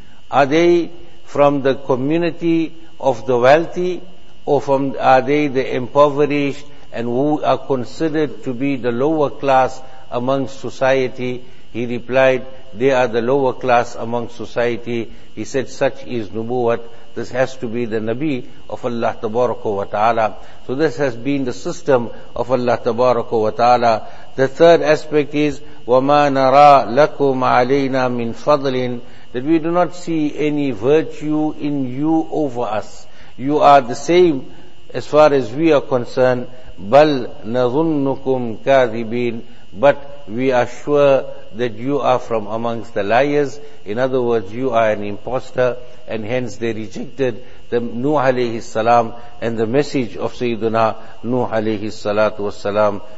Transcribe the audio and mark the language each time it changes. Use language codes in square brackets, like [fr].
[en] Are they from the community of the wealthy, or from are they the impoverished and who are considered to be the lower class among society? He replied, they are the lower class among society. He said, such is Nubuwat. This has to be the Nabi of Allah Tabaraka wa Ta'ala. So this has been the system of Allah Tabaraka wa Ta'ala. The third aspect is, [ar] وَمَا نَرَى لَكُمْ عَلَيْنَا مِنْ فَضْلٍ. [en] That we do not see any virtue in you over us. You are the same as far as we are concerned. [ar] بَلْ نَظُنُّكُمْ كَاذِبِينَ. [en] But we are sure that you are from amongst the liars. In other words, you are an imposter. And hence they rejected the Nuh alayhi salam and the message of Sayyiduna Nuh alayhi salatu was salam.